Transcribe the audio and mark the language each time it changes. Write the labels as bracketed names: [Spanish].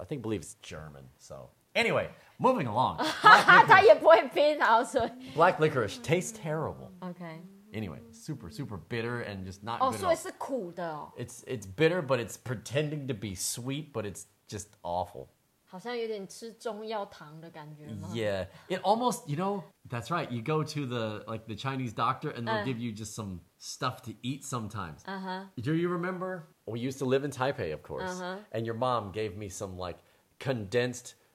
[English] I think believe it's German. So anyway, moving along. [Chinese] 他也不会拼，好所以 [English] Black licorice tastes terrible. Okay. Anyway, super, super bitter and just not、 oh, good so、 at all. Oh, so it's 苦的哦。 It's bitter, but it's pretending to be sweet, but it's just awful. [Chinese] 好像有点吃中药糖的感觉吗 [English] Yeah, it almost, you know, that's right. You go to the, like, the Chinese doctor and they'll give you just some stuff to eat sometimes. Uh-huh. Do you remember? We used to live in Taipei, of course. Uh-huh. And your mom gave me some, like, condensed...、